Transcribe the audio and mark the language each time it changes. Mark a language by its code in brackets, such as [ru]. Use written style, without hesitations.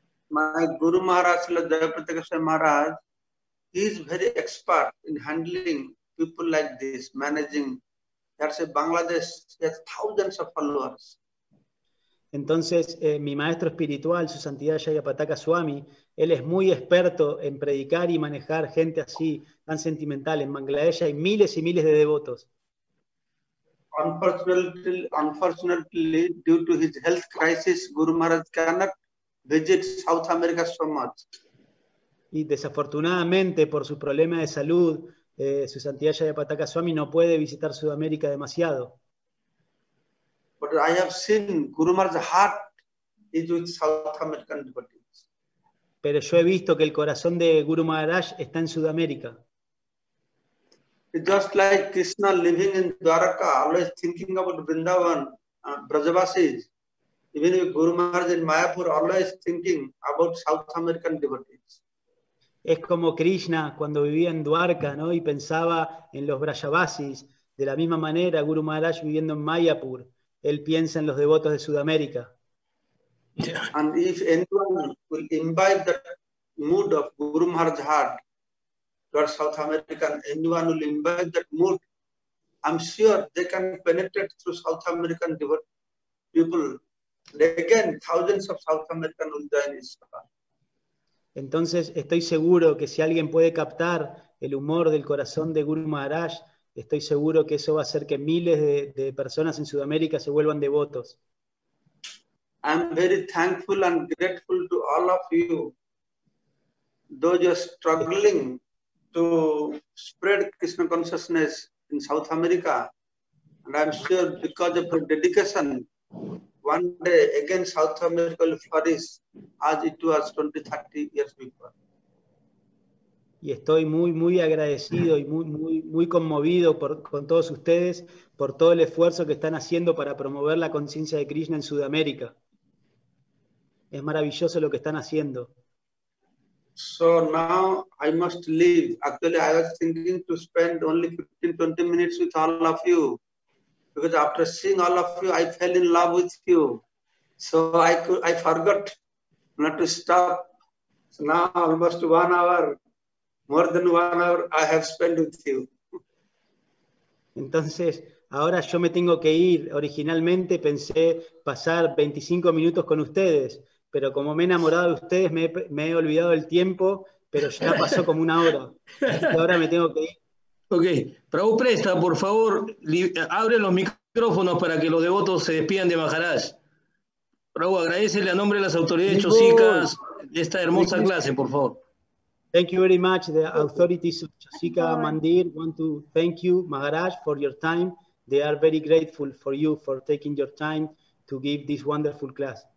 [en] My Guru Maharaj, Srila Jayaprakash Maharaj, he is very expert in handling people like this, managing. There's a Bangladesh, there's thousands of followers. [es] Entonces, mi maestro espiritual, Su Santidad Jayapataka Swami, él es muy experto en predicar y manejar gente así, tan sentimental. En Bangladesh hay miles y miles de devotos. [en] Unfortunately, due to his health crisis, Guru Maharaj cannot visit South America so much. [es] Y desafortunadamente, por su problema de salud, Su Santidad Jayapataka Swami no puede visitar Sudamérica demasiado. [en] But I have seen Guru Maharaj's heart is with South American devotees. [es] Pero yo he visto que el corazón de Guru Maharaj está en Sudamérica. [en] It's just like Krishna living in Dwaraka, always thinking about Vrindavan, Brajavasis. Even if Guru Maharaj in Mayapur, always thinking about South American devotees. [es] Es como Krishna cuando vivía en Dwarka, ¿no? Y pensaba en los Brajavasis. De la misma manera, Guru Maharaj viviendo en Mayapur, él piensa en los devotos de Sudamérica. [en] And if anyone will imbibe the mood of Guru Maharaj's heart towards South America, anyone will imbibe that mood, I'm sure they can penetrate through South American people. And again, thousands of South Americans will join his heart. [es] Entonces, estoy seguro que si alguien puede captar el humor del corazón de Guru Maharaj, estoy seguro que eso va a hacer que miles de personas en Sudamérica se vuelvan devotos. [en] I'm very thankful and grateful to all of you, though you're struggling to spread Krishna consciousness in South America. And I'm sure because of your dedication, one day again South America will flourish as it was 20, 30 years before. [es] Y estoy muy, muy agradecido y muy, muy, muy conmovido con todos ustedes por todo el esfuerzo que están haciendo para promover la conciencia de Krishna en Sudamérica. Es maravilloso lo que están haciendo. [en] So now I must leave. Actually, I was thinking to spend only 15, 20 minutes with all of you. Because after seeing all of you, I fell in love with you. So I forgot not to stop. So now almost 1 hour, more than 1 hour, I have spent with you. [es] Entonces, Ahora yo me tengo que ir. Originalmente pensé pasar 25 minutos con ustedes, pero como me he enamorado de ustedes, me he olvidado el tiempo, pero ya pasó como una hora. Y ahora me tengo que ir. Ok. Prabhu Presta, por favor, abre los micrófonos para que los devotos se despidan de Maharaj. Prabhu, agradecele a nombre de las autoridades chosicas esta hermosa clase, por favor. [en] Thank you very much, the authorities of Chosica Mandir. Want to thank you, Maharaj, for your time. They are very grateful for you for taking your time to give this wonderful class.